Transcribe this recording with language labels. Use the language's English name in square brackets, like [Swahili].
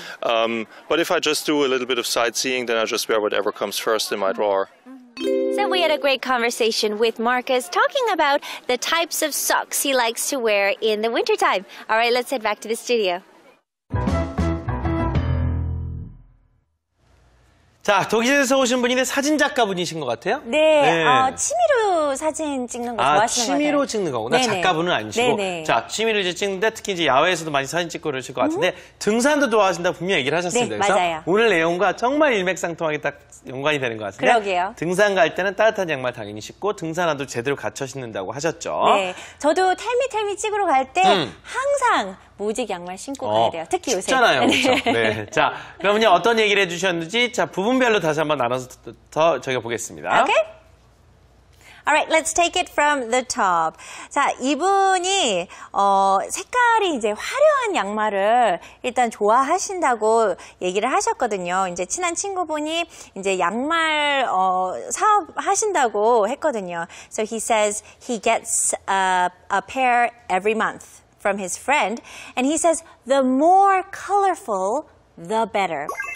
[English] But if I just do a little bit of sightseeing, then I just wear whatever comes first in my drawer. So we had a great conversation with Marcus talking about the types of socks he likes to wear in the wintertime. All right, let's head back to the studio. [Korean] 자, 독일에서 오신 분인데 사진 작가 분이신 것 같아요? 네, 네. 취미로 사진 찍는 거 좋아하시는 거예요? 취미로 찍는 거구나. 네네. 작가분은 아니시고. 네네. 자, 취미로 이제 찍는데 특히 이제 야외에서도 많이 사진 찍고 그러실 것 같은데 등산도 좋아하신다고 분명히 얘기를 하셨습니다. 네, 맞아요. 오늘 내용과 정말 일맥상통하게 딱 연관이 되는 것 같은데. 그러게요. 등산 갈 때는 따뜻한 양말 당연히 신고 등산화도 제대로 갖춰 신는다고 하셨죠. 네, 저도 텔미텔미 찍으러 갈 때 항상 무직 양말 신고 가야 돼요. 특히 요새. 춥잖아요. 그렇죠. 네. 자, 그러면요. 어떤 얘기를 해주셨는지 자 부분별로 다시 한번 나눠서 더 적어보겠습니다. [English] 오케이. All right. Let's take it from the top. [Korean] 자, 이분이 색깔이 이제 화려한 양말을 일단 좋아하신다고 얘기를 하셨거든요. 이제 친한 친구분이 이제 양말 사업하신다고 했거든요. [English] So he says he gets a pair every month. From his friend, and he says, the more colorful, the better.